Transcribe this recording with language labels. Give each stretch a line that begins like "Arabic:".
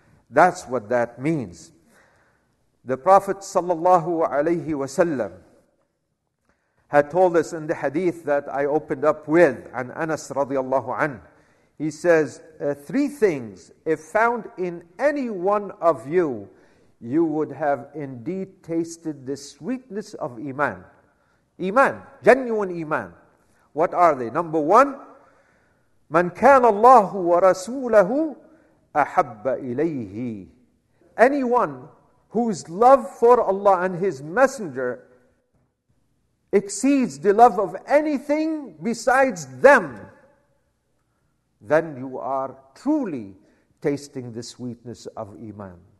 English: That's what that means. The Prophet sallallahu alayhi wasallam had told us in the hadith that I opened up with, an Anas radiallahu anhu. He says, three things, if found in any one of you, you would have indeed tasted the sweetness of iman. Iman, genuine iman. What are they? Number one,
Arabic: من كان الله ورسوله أحب إليه.
English: Anyone whose love for Allah and His Messenger exceeds the love of anything besides them, then you are truly tasting the sweetness of iman.